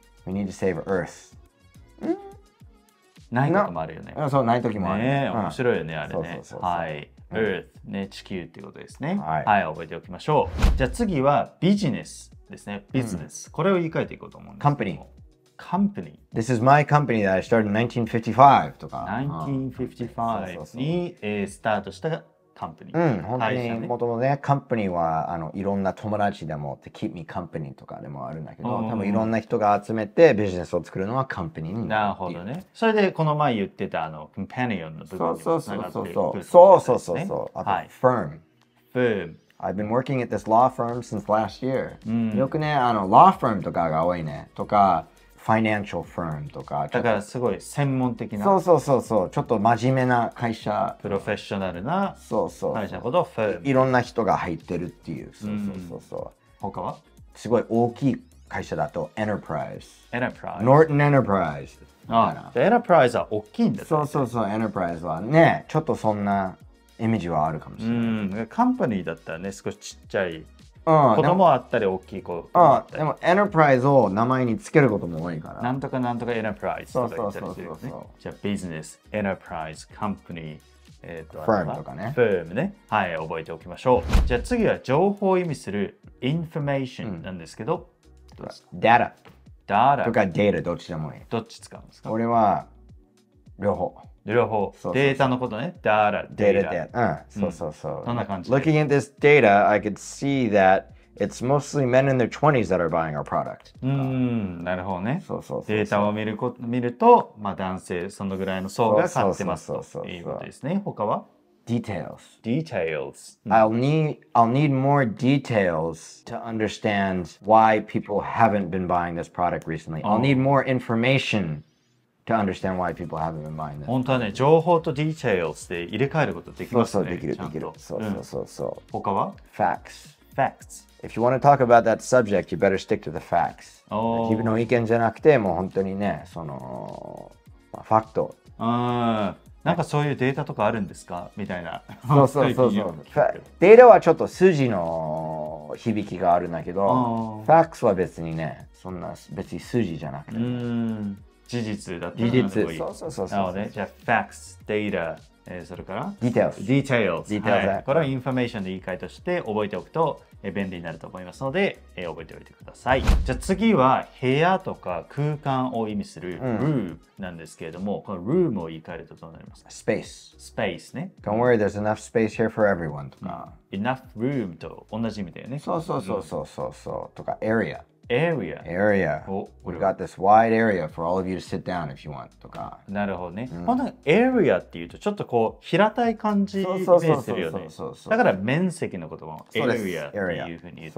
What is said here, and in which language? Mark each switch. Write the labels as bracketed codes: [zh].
[en] We need to save Earth。 [ja] ないこともあるよね。 No、そう、ないときもある。ねえ、面白いよね、あれね。そうそうそうそう、はい。 Earth、うん、ね、地球っていうことですね、はい。はい、覚えておきましょう。じゃあ次はビジネスですね。ビジネス、うん、これを言い換えていこうと思うんです。 [en] Company。 Company。 This is my company that I started in 1955 [ja] とか。 1955にスタートしたCompany。うん、本当にもともとね、Company はあのいろんな友達でも、 [en] to keep me company [ja] とかでもあるんだけど、多分いろんな人が集めてビジネスを作るのは Company になる。なるほどね。それでこの前言ってたあの Companion の部分につながっていくってことですね。そうそうそうそう。あと、はい、Firm。 Firm。 [en] I've been working at this law firm since last year。 [ja] よくね、あの、Law firm とかが多いね。とか、Financial firm とか。だからすごい専門的な。そうそうそうそう。ちょっと真面目な会社。プロフェッショナルな。そうそう。会社のことを firm。いろんな人が入ってるっていう。そうそうそうそう。他は？すごい大きい会社だと Enterprise。 [en] Enterprise。 Norton Enterprise。 [ja] ああ。Enterprise は大きいんだ。そうそうそう。Enterprise はね、ちょっとそんなイメージはあるかもしれない。うん。カンパニーだったらね、少しちっちゃい。うん、子供あったり大きい子もあったり。でもエンタープライズを名前につけることも多いから、なんとかなんとかエンタープライズとか言ったりするよね。そうそうそうそう。じゃあビジネス、エンタープライズ、カンパニー、ファームとかね。ファームね、はい、覚えておきましょう。じゃあ次は情報を意味するインフォメーションなんですけど、うん、どうですか？データ、とかデータ、どっちでもいい。どっち使うんですか？俺は両方。両方、そうそうそう、データのことね。 [en] Data、 [ja] データ。データ、うん、そうそうそう。どんな感じ [en] ？Looking at this data, I could see that it's mostly men in their 20s that are buying our product. [ja] なるほどね。そうそうそう。データを見ると、まあ男性そのぐらいの層が買ってますということですね。他は？ [en] Details. Details. I'll need more details to understand why people haven't been buying this product recently. I'll need more information. To understand why people haven't been buying this. [ja] 本当はね、情報とディテールスで入れ替えることできますね。そうそう、できる、できる。そうそうそうそう。他は？ [en] Facts. Facts. If you want to talk about that subject, you better stick to the facts. [ja] 自分の意見じゃなくて、もう本当にね、その、まあ、ファクト。なんかそういうデータとかあるんですかみたいな。そうそうそうそう。データはちょっと筋の響きがあるんだけど、Facts は別にね、そんな別に筋じゃなくて。事実だったらなんでもいい。事実、そうそうそう。なので、じゃあ、facts、data、それから、 [en] details。 details。 details、 [ja] はい。これは、information の言い換えとして覚えておくと、便利になると思いますので、覚えておいてください。じゃあ、次は、部屋とか空間を意味する、room なんですけれども、うん、この room を言い換えるとどうなりますか？ [en] space。 [ja] space ね。 [en] don't worry, there's enough space here for everyone [ja] とか。 enough room と同じみたいね。そうそうそうそうそうそう。とか、area。 [en] Area. We've got this wide area for all of you to sit down if you want. [ja] とか。なるほどね。うん、area っていうとちょっとこう平たい感じイメージするよね。だから面積のことも area っていうふうに言うと。